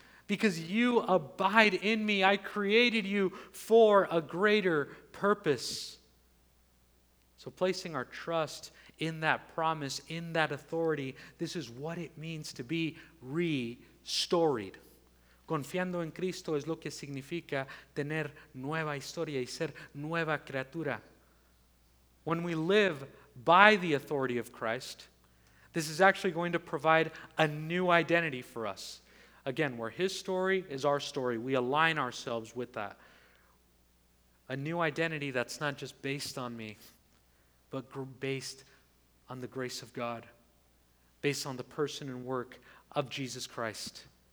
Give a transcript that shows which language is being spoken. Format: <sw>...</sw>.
<en>Because you abide in me, I created you for a greater purpose. So placing our trust in that promise, in that authority, this is what it means to be restored.</en> <es>Confiando en Cristo es lo que significa tener nueva historia y ser nueva criatura.</es> <en>When we live by the authority of Christ, this is actually going to provide a new identity for us. Again, where his story is our story, we align ourselves with that. A new identity that's not just based on me, but based on the grace of God, based on the person and work of Jesus Christ.</en>